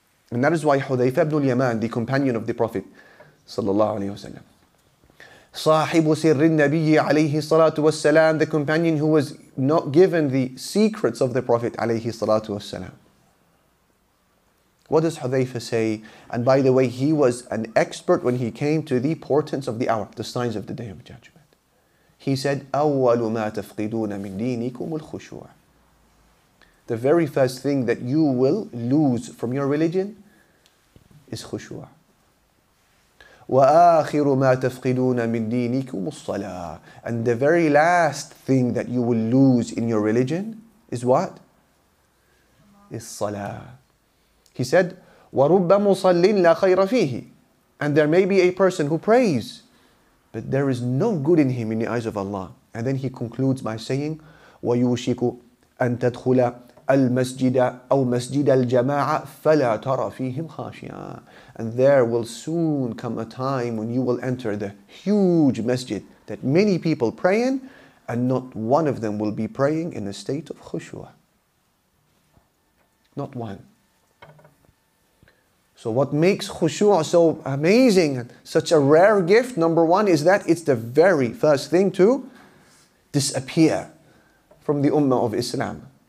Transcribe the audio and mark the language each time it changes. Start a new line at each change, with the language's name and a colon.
English: And that is why Hudhayfa ibn al-Yaman, the companion of the Prophet sallallahu alayhi wa sallam, sahibu sirri nabiyyi alayhi salatu wa salam, the companion who was not given the secrets of the Prophet alayhi salatu wa salam. What does Hudhayfa say? And by the way, he was an expert when he came to the portents of the hour, the signs of the Day of Judgment. He said,
Arabic: أَوَّلُ مَا تَفْقِدُونَ مِنْ دِينِكُمُ الْخُشُوعَ.
English: The very first thing that you will lose from your religion is khushu'.
Arabic: وَآخِرُ مَا تَفْقِدُونَ مِنْ دِينِكُمُ الصَّلَاةِ.
English: And the very last thing that you will lose in your religion is what? Is salah. He said,
Arabic: وَرُبَّ مُصَلِّنْ لَا خَيْرَ فِيهِ.
English: And there may be a person who prays, but there is no good in him in the eyes of Allah. And then he concludes by saying,
Arabic: وَيُوشِكُ أَن تَدْخُلَ المسجد أو مسجد الجماعة فلا ترى فيهم خاشيا.
English: And there will soon come a time when you will enter the huge masjid that many people pray in, and not one of them will be praying in a state of khushu'. Not one. So what makes khushu' so amazing, such a rare gift, number one, is that it's the very first thing to disappear from the ummah of Islam.